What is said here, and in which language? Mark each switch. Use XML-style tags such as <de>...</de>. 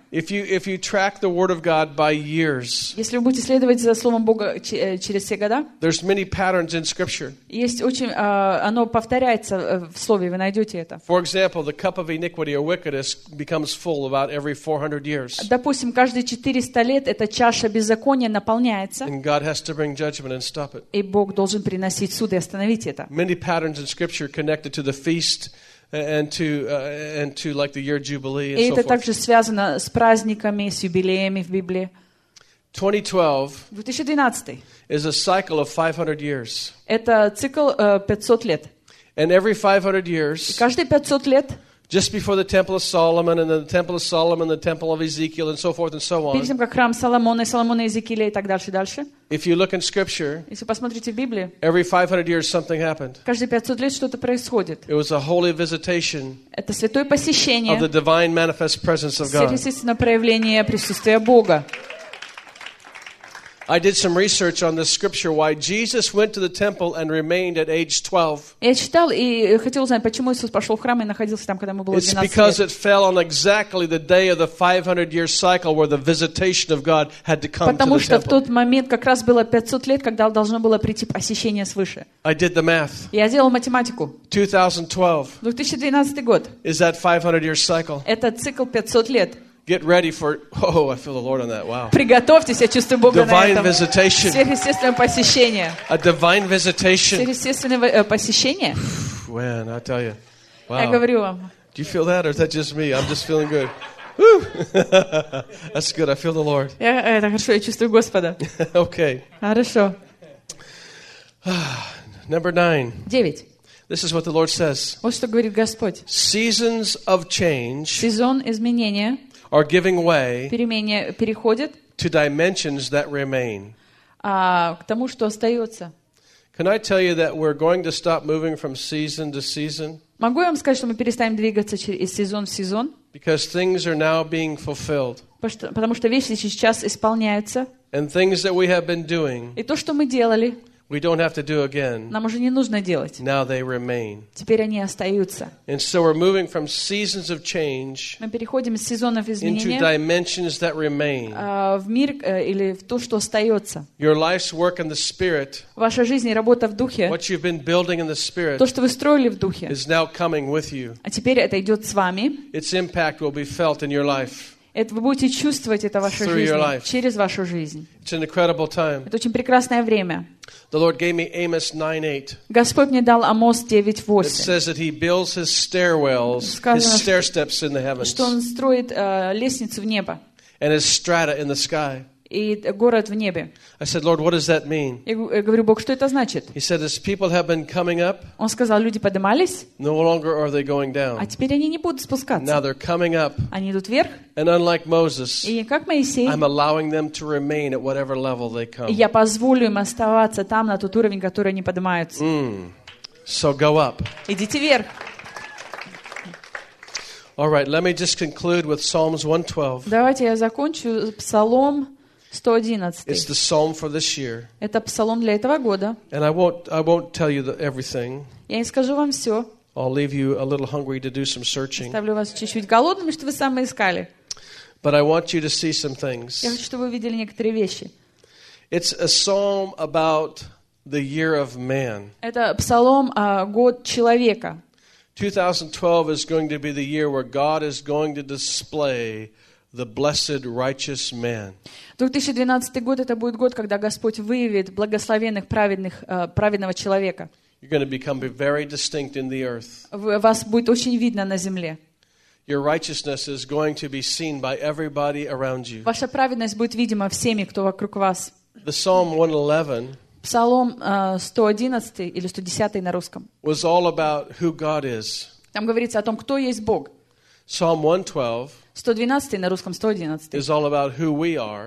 <en>If you track the word of God by years.</en> <ru>Если вы будете следовать за словом Бога через все года.</ru> <en>There's many patterns in scripture.</en> <ru>Есть очень оно повторяется в слове, вы найдете это.</ru> <en>For example, the cup of iniquity or wickedness becomes full about every 400 years.</en> <ru>Допустим, каждые 400 лет эта чаша беззакония наполняется.</ru> <en>And God has to bring judgment and stop it.</en> <ru>И Бог должен приносить суд и остановить.</ru> <en>Many patterns in scripture connected to the feast and to like the year jubilee and so forth.</en> <ru>Это также связано с праздниками, с юбилеями в Библии.</ru> <en>2012 is a cycle of 500 years.</en> <ru>Это цикл 500 лет.</ru> <en>And every 500 years,</en> <ru>каждые 500 лет,</ru> <en>just before the temple of Solomon and then the temple of Solomon and the temple of Ezekiel and so forth and so on.</en> <ru>Перед тем, как храм Соломона, Соломона, Иезекииля и так дальше, дальше.</ru> <en>If you look in scripture,</en> <ru>если посмотрите в Библии,</ru> <en>every 500 years something happened.</en> <ru>Каждые 500 лет что-то происходит.</ru> <en>It was a holy visitation.</en> <ru>Это святое посещение.</ru> <en>Of the divine manifest presence of God.</en> <ru>Сверхъестественное проявление присутствия Бога.</ru> <en>I did some research on this scripture why Jesus went to the temple and remained at age 12.</en> <ru>Я читал и хотел узнать, почему Иисус пошёл в храм и находился там, когда ему было 12 лет.</ru> <en>It's because it fell on exactly the day of the 500-year cycle where the visitation of God had to come to the temple.</en> <ru>Потому что в тот момент как раз было 500 лет, когда должно было прийти посещение свыше.</ru> <en>I did the math.</en> <ru>Я сделал математику.</ru> <en>2012.</en> <ru>2012 год.</ru> <en>Is that 500-year cycle?</en> <ru>Это цикл 500 лет.</ru> <en>Get ready for oh, I feel the Lord on that. Wow.</en> <ru>Приготовьтесь, я чувствую Бога на этом.</ru> <en>Divine visitation.</en> <ru>Сверхъестественное посещение.</ru> <en>A divine visitation.</en> <ru>Сверхъестественное посещение.</ru> <en>Man, I tell you. Wow.</en> <ru>Я говорю вам.</ru> <en>Do you feel that or is that just me? I'm just feeling good. That's good. I feel the Lord.</en> <ru>Я это хорошо, я чувствую Господа.</ru> <en>Okay.</en> <ru>Хорошо.</ru> <en>Number 9.</en> <ru>9.</ru> <en>This is what the Lord says.</en> <ru>Вот что говорит Господь.</ru> <en>Seasons of change.</en> <ru>Сезон изменения.</ru> <en>Are giving way.</en> <ru>Перемене переходит.</ru> <en>To dimensions that remain.</en> <ru>А к тому, что остаётся.</ru> <en>Can I tell you that we're going to stop moving from season to season?</en> <ru>Могу я вам сказать, что мы перестанем двигаться из сезона в сезон?</ru> <en>Because things are now being fulfilled.</en> <ru>Потому что вещи сейчас исполняются.</ru> <en>And things that we have been doing.</en> <ru>И то, что мы делали.</ru> <en>We don't have to do again.</en> <ru>Нам уже не нужно делать.</ru> <en>Now they remain.</en> <ru>Теперь они остаются.</ru> <en>And so we're moving from seasons of change.</en> <ru>Мы переходим из сезонов изменения.</ru> <en>Into dimensions that remain.</en> <ru>В мир или в то, что остаётся.</ru> <en>Your life's work in the spirit.</en> <ru>Ваша жизнь и работа в духе.</ru> <en>What you've been building in the spirit.</en> <ru>То, что вы строили в духе.</ru> <en>Is now coming with you.</en> <ru>А теперь это идёт с вами.</ru> <en>Its impact will be felt in your life.</en> <ru>Это вы будете чувствовать это в вашей жизни, через вашу жизнь. Это очень прекрасное время.</ru> <en>The Lord gave me Amos 9:8.</en> <ru>Господь мне дал Амос 9:8.</ru> <en>It says that he builds his stairwells, his stair steps in the heavens.</en> <ru>Что он строит лестницу в небо.</ru> <en>And his strata in the sky.</en> <ru>И город в небе.</ru> <en>I said, Lord, what does that mean?</en> <ru>Я говорю, Бог, что это значит?</ru> <en>He said, as people have been coming up.</en> <ru>Он сказал, люди поднимались.</ru> <en>No longer are they going down.</en> <ru>А теперь они не будут спускаться.</ru> <en>Now they're coming up.</en> <ru>Они идут вверх.</ru> <en>And unlike Moses.</en> <ru>И как Моисей.</ru> <en>I'm allowing them to remain at whatever level they come.</en> <ru>Я позволю им оставаться там на тот уровень, который они поднимаются.</ru> <en>So go up.</en> <ru>Идите вверх.</ru> <en>All right, let me just conclude with Psalms 112.</en> <ru>Давайте я закончу Псалом 111.</ru> <en>It's the psalm for this year.</en> <ru>Это псалом для этого года.</ru> <en>And I won't tell you everything.</en> <ru>Я не скажу вам всё.</ru> <en>I'll leave you a little hungry to do some searching.</en> <ru>Оставлю вас чуть-чуть голодными, чтобы вы сами искали.</ru> <en>But I want you to see some things.</en> <ru>Я хочу, чтобы вы видели некоторые вещи.</ru> <en>It's a psalm about the year of man.</en> <ru>Это псалом о год человека.</ru> <en>2012 is going to be the year where God is going to display the blessed righteous man.</en> <ru>2012 год это будет год, когда Господь выявит благословенных праведных праведного человека.</ru> <en>You're going to become very distinct in the earth.</en> <ru>Вас будет очень видно на земле.</ru> <en>Your righteousness is going to be seen by everybody around you.</en> <ru>Ваша праведность будет видима всеми, кто вокруг вас.</ru> <en>The Psalm 111.</en> <ru>Псалом 111 или 110 на русском.</ru> <en>Was all about who God is.</en> <ru>Там говорится о том, кто есть Бог.</ru> <en>Psalm 112.</en> <ru>112 на русском 111.</ru> <en>Is all about who we are.</en>